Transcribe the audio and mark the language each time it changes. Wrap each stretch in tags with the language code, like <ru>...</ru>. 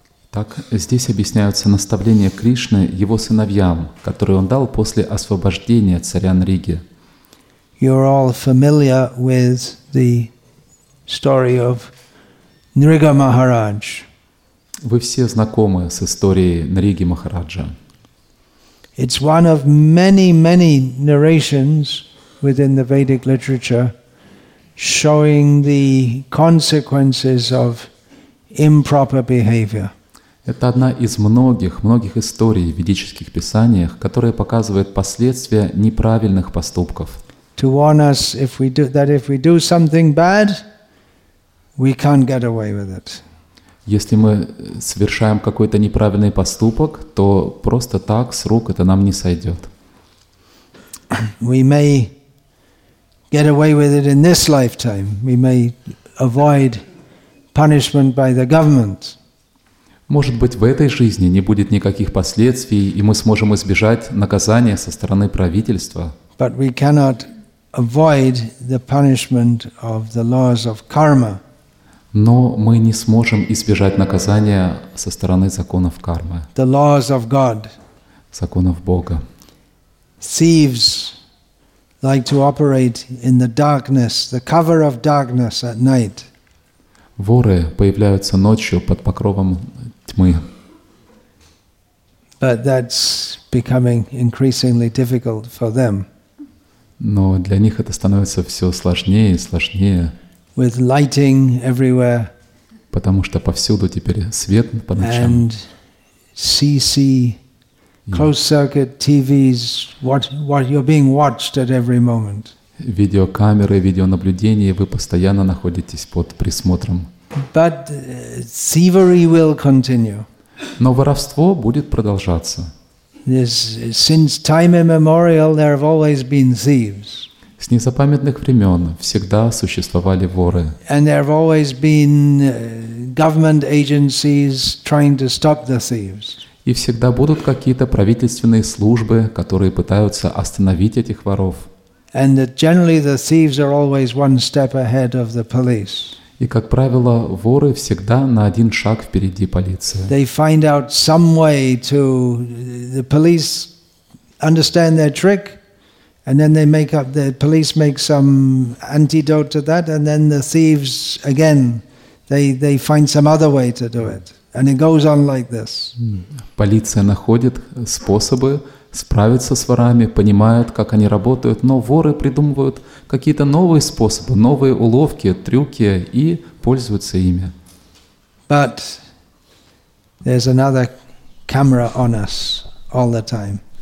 <ru>Так здесь объясняются наставления Кришны его сыновьям, которые он дал после освобождения царя Нриги.</ru> <en>You're all familiar with the story of Нрига Махарадж.</en> <ru>Вы все знакомы с историей Нриги Махараджа.</ru> <en>It's one of many narrations within the Vedic literature showing the consequences of improper behavior.</en> <ru>Это одна из многих историй в ведических писаниях, которая показывает последствия неправильных поступков.</ru> <en>To warn us if we do something bad, we can't get away with it.</en> <ru>Если мы совершаем какой-то неправильный поступок, то просто так с рук это нам не сойдет.</ru> <en>We may get away with it in this lifetime. We may avoid punishment by the government.</en> <ru>Может быть, в этой жизни не будет никаких последствий, и мы сможем избежать наказания со стороны правительства.</ru> <en>But we cannot avoid the punishment of the laws of karma.</en> <ru>Но мы не сможем избежать наказания со стороны законов кармы.</ru> <en>The laws of God.</en> <ru>Законов Бога.</ru> <en>Thieves like to operate in the darkness, the cover of darkness at night.</en> <ru>Воры появляются ночью под покровом тьмы.</ru> <en>But that's becoming increasingly difficult for them.</en> <ru>Но для них это становится все сложнее и сложнее.</ru> <en>With lighting everywhere.</en> <ru>Потому что повсюду теперь свет по ночам.</ru> <en>And CC, closed circuit TVs, what you're being watched at every moment.</en> <ru>видеокамеры, видеонаблюдения, вы постоянно находитесь под присмотром.</ru> <en>But thievery will continue.</en> <ru>Но воровство будет продолжаться.</ru> <en>Since time immemorial, there have always been thieves.</en> <ru>С незапамятных времен всегда существовали воры.</ru> <en>And there have always been government agencies trying to stop the thieves.</en> <ru>И всегда будут какие-то правительственные службы, которые пытаются остановить этих воров.</ru> <en>And that generally the thieves are always one step ahead of the police.</en> <ru>И, как правило, воры всегда на один шаг впереди полиции.</ru> <en>They find out some way to the police understand their trick, and then they make up the police make some antidote to that, and then the thieves again they find some other way to do it. And it goes on like this.</en> <ru>Полиция находит способы справиться с ворами, понимают, как они работают, но воры придумывают какие-то новые способы, новые уловки, трюки и пользуются ими.</ru> <en>But there's another camera on us all the time.</en>